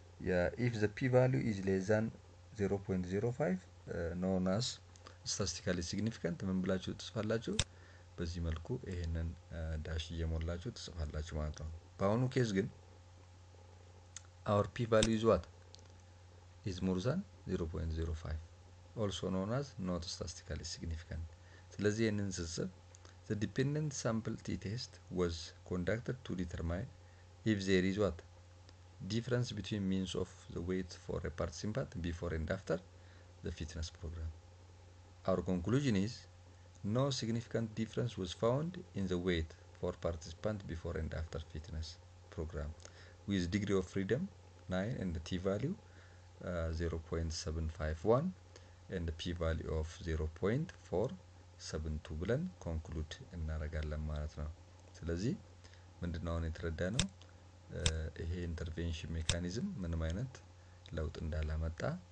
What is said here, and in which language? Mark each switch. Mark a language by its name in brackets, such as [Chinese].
[English] yeah if the p value is less than 0.05 known as statistically significant [Amharic] ምን ብላችሁ ትጽፋላችሁ በዚህ መልኩ ይሄንን ዳሽ እየሞላችሁ ትጽፋላችሁ ማለት ነው። በአሁኑ ኬዝ ግን [English] our p value is what is more than 0.05 also known as not statistically significant. [Amharic] ስለዚህ ይሄንን ስንጽፍ [English] the dependent sample t-test was conducted to determine if there is what difference between means of the weight for a participant before and after the fitness program. Our conclusion is no significant difference was found in the weight for participant before and after fitness program with degree of freedom 9 and the t value 0.751 and the p value of 0.472 [Amharic] ብለን conclude እናረጋለን ማለት ነው ስለዚህ ምንድነው የተረዳነው ይሄ intervention mechanism ምንም አይነት ለውጥ እንዳላመጣ